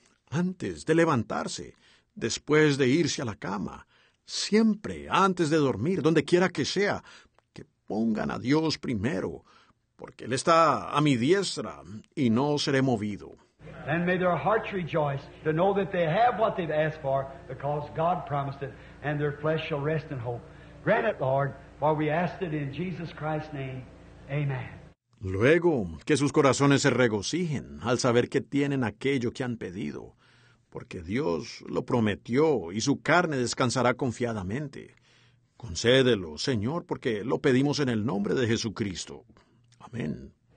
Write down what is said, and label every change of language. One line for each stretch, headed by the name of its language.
Spanish: Antes de levantarse. Después de irse a la cama. Siempre antes de dormir, donde quiera que sea. Pongan a Dios primero, porque Él está a mi diestra y no seré movido.
English: And may their hearts rejoice to know that they have what they've asked for because God promised it, and their flesh shall rest in hope. Grant it, Lord, for we ask it in Jesus Christ's name. Amen.
Spanish: Luego, que sus corazones se regocijen al saber que tienen aquello que han pedido, porque Dios lo prometió y su carne descansará confiadamente. Concédelo, Señor, porque lo pedimos en el nombre de Jesucristo. Amén.